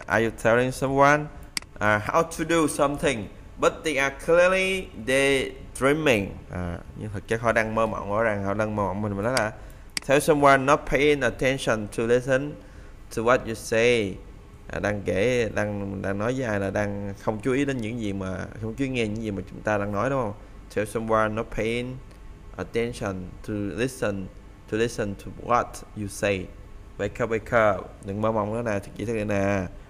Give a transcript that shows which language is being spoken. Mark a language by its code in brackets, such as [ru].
[en] Are you telling someone how to do something, but they are clearly they dreaming. [vi] Nhưng thực chất họ đang mơ mộng, rõ ràng họ đang mơ mộng. Mình nói là [en] tell someone not paying attention to listen to what you say. [vi] Đang kể, đang nói với ai là đang không chú ý đến những gì mà không chú ý nghe những gì mà chúng ta đang nói đúng không? [en] Tell someone not paying attention to listen to what you say. [vi] Wake up, đừng mơ mộng nữa nè, thực chỉ thế này nè.